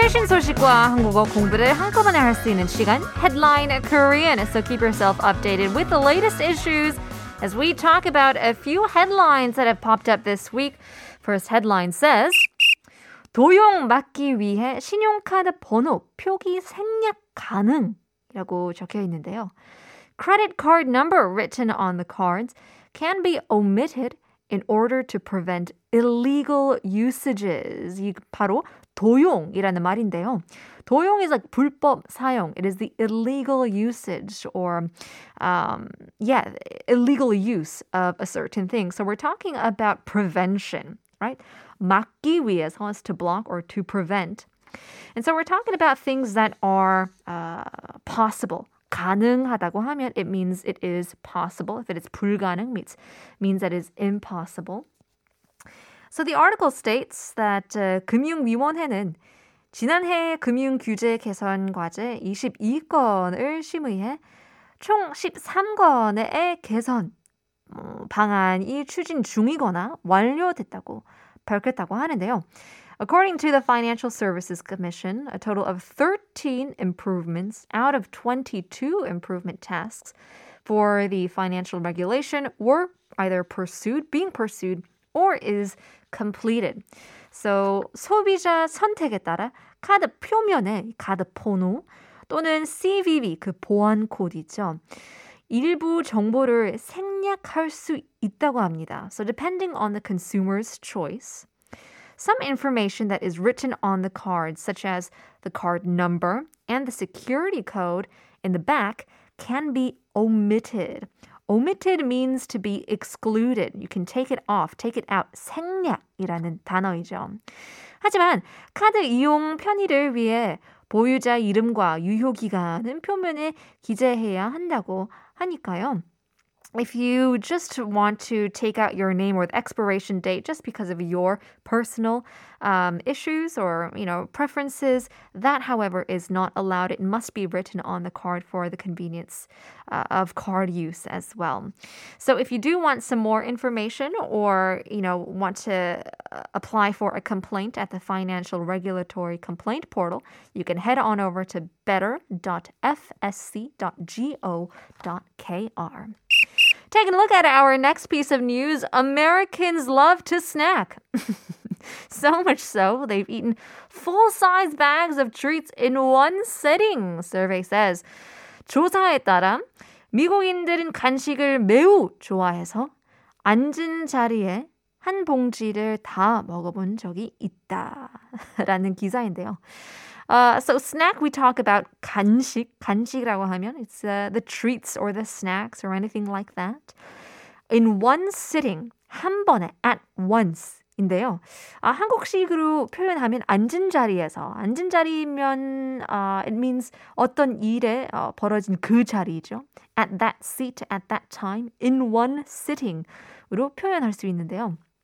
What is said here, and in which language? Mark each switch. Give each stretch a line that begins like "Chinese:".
Korean: 소식과 한국어 공부를 한꺼번에 할 수 있는 시간, Headline Korean.
English: So keep yourself updated with the latest issues as we talk about a few headlines that have popped up this week. First headline says,
Korean: 도용 막기 위해 신용카드 번호 표기 생략 가능이라고 적혀 있는데요.
English: Credit card number written on the cards can be omitted in order to prevent illegal usages.
Korean: 이게 바로 도용이라는 말인데요. 도용
English: is like
Korean: 불법 사용.
English: It is the illegal usage or, illegal use of a certain thing. So we're talking about prevention, right?
Korean: 막기 위해서
English: is to block or to prevent. And so we're talking about things that are possible.
Korean: 가능하다고 하면
English: it means it is possible. If it is 불가능, means that it is impossible. So the article states that
Korean: 금융위원회는 지난해 금융규제 개선 과제 22건을 심의해 총 13건의 개선 방안이 추진 중이거나 완료됐다고 밝혔다고 하는데요.
English: According to the Financial Services Commission, a total of 13 improvements out of 22 improvement tasks for the financial regulation were either being pursued, or is completed.
Korean: So, 소비자 선택에 따라 카드 표면에 카드 번호 또는 CVV, 그 보안 코드죠. 일부 정보를 생략할 수 있다고 합니다.
English: So, depending on the consumer's choice, some information that is written on the card, such as the card number and the security code in the back, can be omitted. Omitted means to be excluded. You can take it off, take it out.
Korean: 생략이라는 단어이죠. 하지만 카드 이용 편의를 위해 보유자 이름과 유효기간은 표면에 기재해야 한다고 하니까요.
English: If you just want to take out your name or the expiration date just because of your personal issues or, you know, preferences, that, however, is not allowed. It must be written on the card for the convenience of card use as well. So if you do want some more information or, you know, want to apply for a complaint at the Financial Regulatory Complaint Portal, you can head on over to better.fsc.go.kr. Taking a look at our next piece of news, Americans love to snack. So much so, they've eaten full-size bags of treats in one sitting. Survey says,
Korean: 조사에 따라 미국인들은 간식을 매우 좋아해서 앉은 자리에 한 봉지를 다 먹어본 적이 있다라는 기사인데요.
English: So snack, we talk about 간식.
Korean: 간식이라고 하면
English: it's the treats or the snacks or anything like that. In one sitting,
Korean: 한 번에,
English: at once인데요.
Korean: 한국식으로 표현하면 앉은 자리에서. 앉은 자리면
English: it means
Korean: 어떤 일에 벌어진 그 자리죠.
English: At that seat, at that time, in one sitting으로
Korean: 표현할 수 있는데요.